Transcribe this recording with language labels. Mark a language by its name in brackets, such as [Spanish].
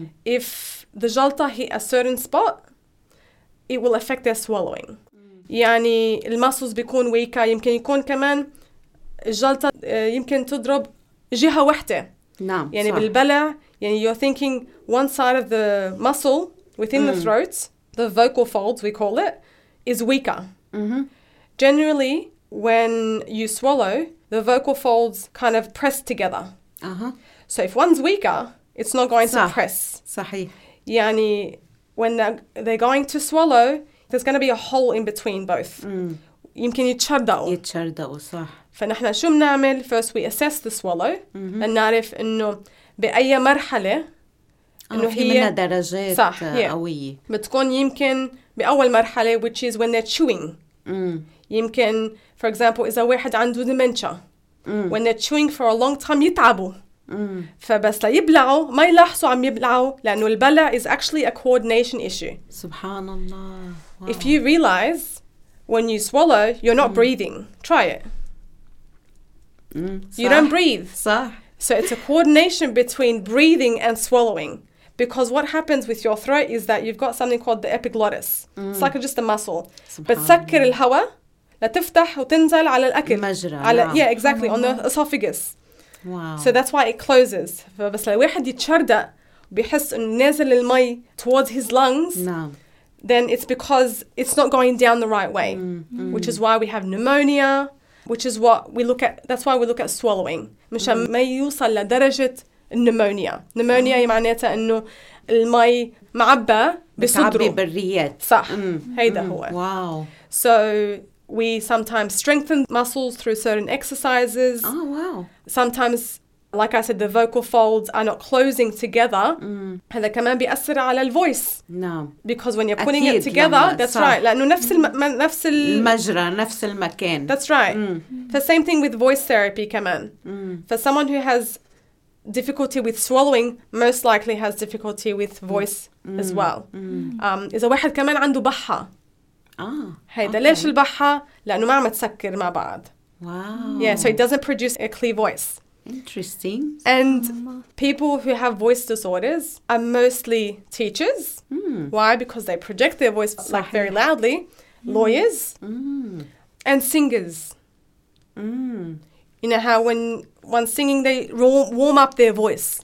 [English] If the jalta hit a certain spot, it will affect their swallowing. [Arabic] يعني المسلز بيكون ويكا يمكن يكون كمان الجلطة يمكن تضرب جهة واحدة. نعم. [English] يعني بالبلع يعني you're thinking one side of the muscle within the throat, the vocal folds we call it, is weaker. Generally, when you swallow, the vocal folds kind of press together. So if one's weaker, it's not going to press. [Arabic] صحيح. [English] يعني when they're going to swallow, there's going to be a hole in between both. يمكن يتشردوا. [Arabic] يتشردوا صح. فنحن شو بنعمل? First we assess the swallow and نعرف إنه بأي مرحلة إنه هي. منها درجات صح. قوية. [English] بتكون يمكن بأول مرحلة which is when they're chewing. [Arabic] يمكن for example إذا واحد عنده dementia. [English] When they're chewing for a long time, يتعبوا. [Arabic] فبس ليبلعوا ما يلاحظوا عم يبلعوا لأنه البلع is actually a coordination issue. سبحان الله. [English] Wow. If you realize when you swallow, you're not breathing. Try it. You don't breathe. [Arabic] صح. [English] So it's a coordination between breathing and swallowing. Because what happens with your throat is that you've got something called the epiglottis. It's like just a muscle. [Arabic] But سكر الهواء لتفتح وتنزل على الأكل المجرى [English] على, yeah exactly on the esophagus wow. [Arabic] So that's why it closes فبس لو واحد يتشردق بيحس انه نازل المي towards his lungs نعم. [English] Then it's because it's not going down the right way which is why we have pneumonia which is what we look at that's why we look at swallowing مشان ما يوصل لدرجة pneumonia pneumonia معناتها انه المي معبى بصدره [Arabic] بتعبي بريات صح هيدا هو [English] wow. So We sometimes strengthen muscles through certain exercises. Oh, wow. Sometimes, like I said, the vocal folds are not closing together. And they can be أثر على voice. No. Because when you're putting it together, that's right. [Arabic] لأنه نفس نفس المجرى, نفس المكان. [English] That's right. The same thing with voice therapy, كمان. For someone who has difficulty with swallowing, most likely has difficulty with voice as well. [Arabic] إذا واحد كمان عنده بحة. هيدا [English] okay. [Arabic] ليش البحة؟ لأنه ما عم تسكر مع بعض. [English] Wow. Yeah, so it doesn't produce a clear voice. Interesting. And people who have voice disorders are mostly teachers. Why? Because they project their voice like very loudly. Lawyers. And singers. You know how when one's singing, they warm up their voice.